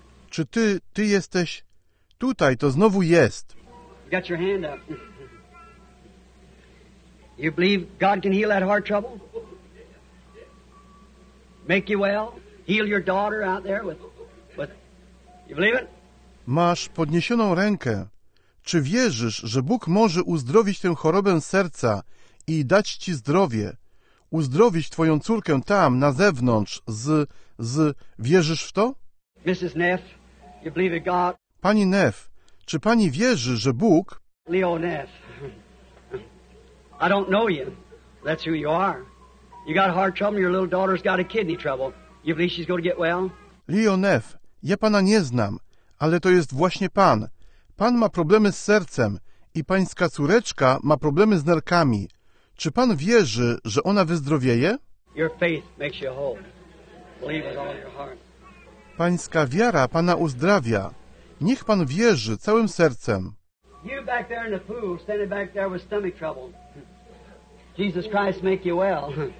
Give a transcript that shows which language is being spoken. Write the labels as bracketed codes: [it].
[pl] Czy ty jesteś tutaj, to znowu jest. [en] You believe God can heal that heart trouble? Make you well? Heal your daughter out there with you believe it? [pl] Masz podniesioną rękę. Czy wierzysz, że Bóg może uzdrowić tę chorobę serca i dać ci zdrowie? Uzdrowić twoją córkę tam, na zewnątrz, wierzysz w to? [en] Mrs. Neff, you believe in God? [pl] Pani Neff, czy pani wierzy, że Bóg... [en] Leo Neff. I don't know you. That's who you are. You got heart trouble, your little daughter's got a kidney trouble. You believe she's going to get well? [pl] Leo Neff, ja pana nie znam, ale to jest właśnie pan. Pan ma problemy z sercem i pańska córeczka ma problemy z nerkami. Czy pan wierzy, że ona wyzdrowieje? [en] Your faith makes you whole. Believe with all your heart. [pl] Pańska wiara pana uzdrawia. Niech pan wierzy całym sercem. [en] You back there in the pool, standing back there with stomach trouble. Jesus Christ make you well.